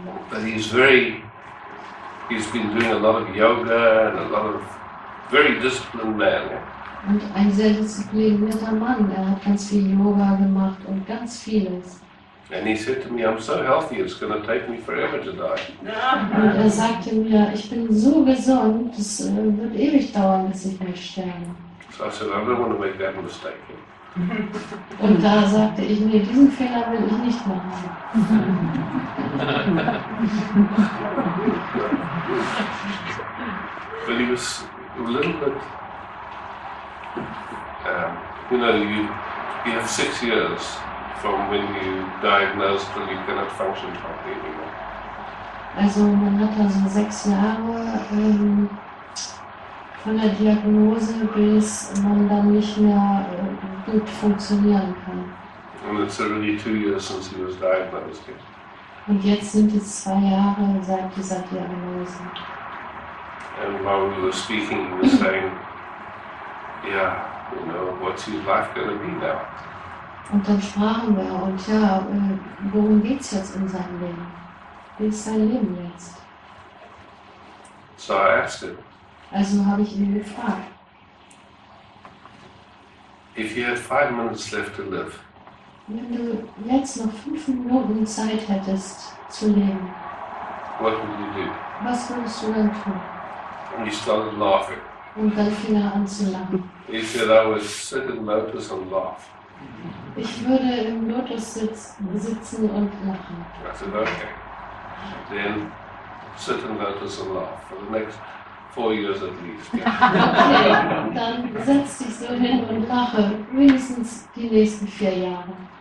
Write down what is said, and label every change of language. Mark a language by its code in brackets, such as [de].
[en] But he's been doing a lot of yoga and a lot of very disciplined man. [de] Und ein sehr disziplinierter Mann. Er hat ganz viel Yoga gemacht und ganz vieles. [en] And he said to me, I'm so healthy, it's going to take me forever to die. [de] Und er sagte mir, ich bin so gesund, es wird ewig dauern, bis ich mich sterbe. [en] So I said, I don't want to make that mistake. [de] Und da sagte ich, nee, diesen Fehler will ich nicht machen. [en] But he was a little bit, you have 6 years from when you diagnosed till you cannot function properly anymore. [de] Also man hat also 6 Jahre von der Diagnose, bis man dann nicht mehr gut funktionieren kann. [en] And it's already 2 years since he was diagnosed. [de] Und jetzt sind es 2 Jahre seit dieser Diagnose. [en] And while we were speaking, he was saying, yeah, what's his life going to be now? [de] Und dann sprachen wir, und ja, worum geht's jetzt in seinem Leben? Wie ist sein Leben jetzt? [en] So I asked him. [de] Also habe ich ihn gefragt. [en] If you had 5 minutes left to live. [de] Wenn du jetzt noch 5 Minuten Zeit hättest zu leben. [en] What would you do? [de] Was würdest du dann tun? [en] And he started laughing. [de] Und dann fing er an zu lachen. [en] He said, I would sit in Lotus and laugh. [de] Ich würde im Lotus sitzen und lachen. [en] I said, okay. Then sit in Lotus and laugh for the next 4 years at least. [de] Okay, dann setz dich so hin und lache wenigstens die nächsten 4 Jahre.